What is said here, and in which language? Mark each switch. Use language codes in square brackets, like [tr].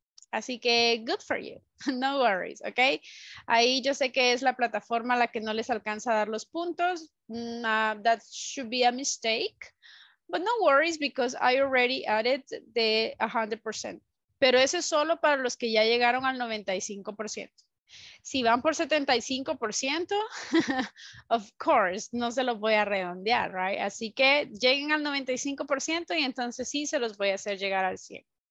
[es] Así que, [en] good for you, no worries, okay? [es] Ahí yo sé que es la plataforma la que no les alcanza a dar los puntos. [en] That should be a mistake. But no worries because I already added the 100%. [es] Pero eso es solo para los que ya llegaron al 95%. Si van por 75%, [en] of course, [es] no se los voy a redondear, [en] right? [es] Así que lleguen al 95% y entonces sí se los voy a hacer llegar al 100.